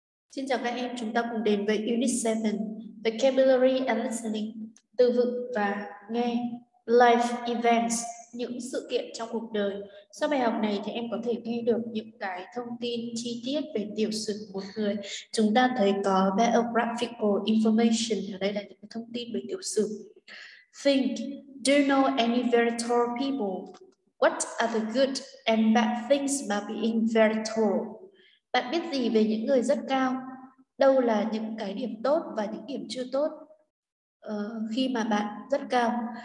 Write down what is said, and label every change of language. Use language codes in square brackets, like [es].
[vi] Xin chào các em, chúng ta cùng đến với Unit 7, [en] Vocabulary and Listening, [vi] từ vựng và nghe, [en] Life Events, [vi] những sự kiện trong cuộc đời. Sau bài học này thì em có thể nghe được những cái thông tin chi tiết về tiểu sử một người. Chúng ta thấy có biographical information, ở đây là những thông tin về tiểu sử. [en] Think, do you know any very tall people? What are the good and bad things about being very tall? [vi] Bạn biết gì về những người rất cao? Đâu là những cái điểm tốt và những điểm chưa tốt khi mà bạn rất cao?